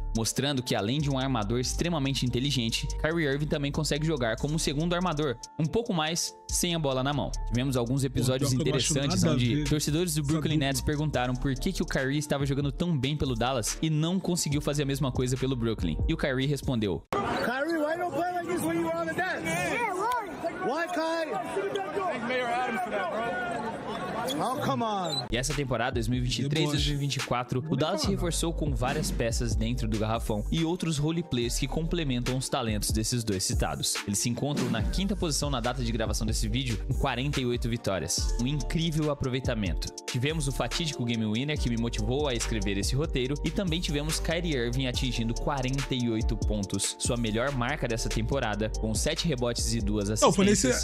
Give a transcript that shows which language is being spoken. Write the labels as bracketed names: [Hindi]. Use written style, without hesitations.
[Portuguese] Mostrando que além de um armador extremamente inteligente, Kyrie Irving também consegue jogar como segundo armador, um pouco mais sem a bola na mão. Tivemos alguns episódios interessantes onde torcedores do Brooklyn Nets perguntaram por que, que o Kyrie estava jogando tão bem pelo Dallas e não conseguiu fazer a mesma coisa pelo Brooklyn. E o Kyrie respondeu: [English] Kyrie, why don't play like this when you were on the Nets? Yeah, right. Why, Kyrie? Thank Mayor Adams for that, bro. Oh, come on. [Portuguese] E essa temporada, 2023-2024, o Dallas se reforçou com várias peças dentro do garrafão e outros roleplayers que complementam os talentos desses dois citados. Eles se encontram na quinta posição na data de gravação desse vídeo, com 48 vitórias. Um incrível aproveitamento. Tivemos o fatídico Game Winner, que me motivou a escrever esse roteiro, e também tivemos Kyrie Irving atingindo 48 pontos, sua melhor marca dessa temporada, com 7 rebotes e 2 assistências.